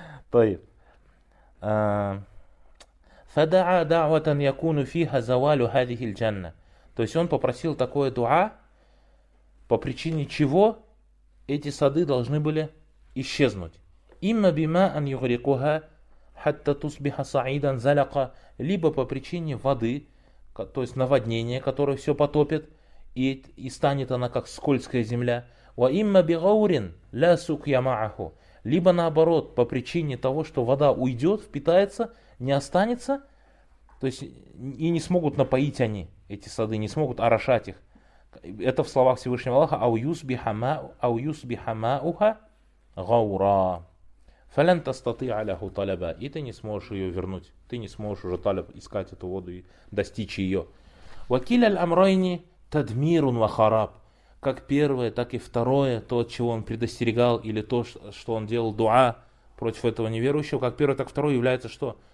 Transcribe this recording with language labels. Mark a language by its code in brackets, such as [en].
[ar] طيب فدعا دعوة يكون فيها زوال هذه الجنة. [ru] То есть он попросил такое дуа, по причине чего эти сады должны были исчезнуть. [ar] إما بما أن يغرقها حتى تصبح صعيدا زلقا, [ru] либо по причине воды, то есть наводнения, которое все потопит и станет она как скользкая земля. [ar] وَإِمَّا بِغَوْرٍ لَا سُكْيَ مَعَهُ. [ru] Либо наоборот, по причине того, что вода уйдет, впитается, не останется, то есть и не смогут напоить они эти сады, не смогут орошать их. Это в словах Всевышнего Аллаха [ar] أَوْ يُسْبِحَ مَاؤُهَا غَوْرًا فَلَنْ تَسْتَطِعَ لَهُ طَلَبَا. [ru] И ты не сможешь ее вернуть. Ты не сможешь уже талеб искать эту воду и достичь ее. [ar] وَكِلَ الْأَمْرَيْنِ تَدْمِيرٌ وَخَرَابٌ. [ru] Как первое, так и второе, то, чего он предостерегал, или то, что он делал дуа против этого неверующего, как первое, так и второе является что?